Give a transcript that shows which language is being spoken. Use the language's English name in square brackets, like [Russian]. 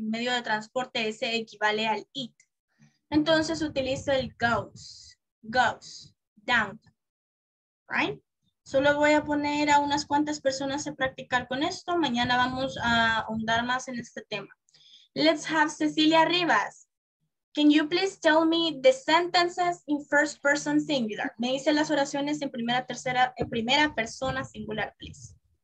[Spanish] Un medio de transporte, ese equivale al it. Entonces utilizo el goes, downtown, right? Solo voy a poner a unas cuantas personas a practicar con esto. Mañana vamos a ahondar más en este tema. [English] Let's have Cecilia Rivas. Can you please tell me the sentences in first person singular? [Spanish] Me dice las oraciones en primera persona singular, please.